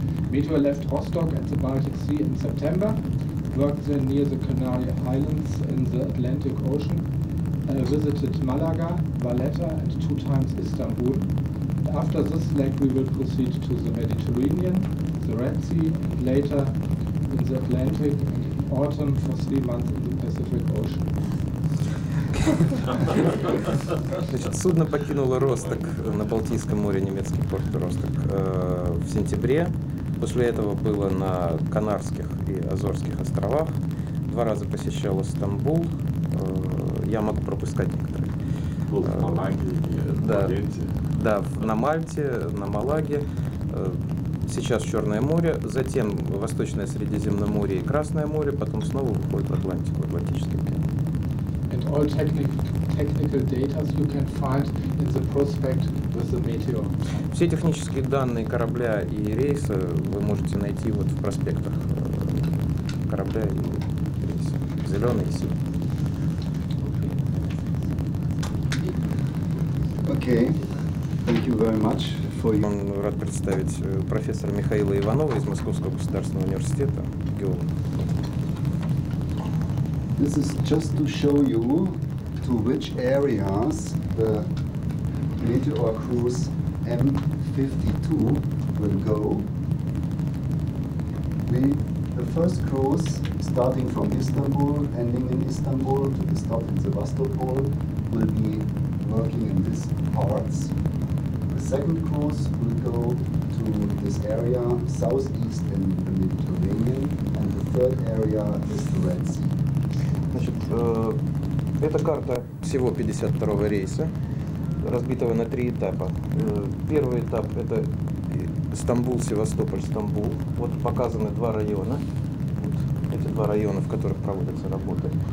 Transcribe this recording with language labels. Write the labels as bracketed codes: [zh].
[en] Meteor left Rostock at the Baltic Sea in September, worked there near the Canary Islands in the Atlantic Ocean, visited Malaga, Valletta and two times Istanbul. And after this leg we will proceed to the Mediterranean, the Red Sea and later in the Atlantic in autumn for 3 months in the Pacific Ocean. [ru] Значит, судно покинуло Росток на Балтийском море, немецкий порт Росток, в сентябре. После этого было на Канарских и Азорских островах. 2 раза посещало Стамбул. Я могу пропускать некоторые. На Мальте, на Малаге. Сейчас Черное море, затем Восточное Средиземноморье и Красное море, потом снова выходит в Атлантику, в Атлантический океан. [en] And all technical data you can find in the prospect with the Meteor. [ru] Все технические данные корабля и рейса вы можете найти вот в проспектах корабля и рейса. Зеленый и синий. [en] Okay. Thank you very much. [ru] Он рад представить профессора Михаила Иванова из Московского государственного университета, геолога. [en] This is just to show you to which areas the Meteor cruise M52 will go. The first cruise starting from Istanbul, ending in Istanbul, to the stop in Sevastopol, will be working in these parts. The second cruise will go to this area southeast in the Mediterranean, and the third area is the Red Sea. [ru] Значит, это карта всего 52-го рейса, разбитого на 3 этапа. Первый этап – это Стамбул-Севастополь-Стамбул. Вот показаны 2 района, вот эти 2 района, в которых проводятся работы.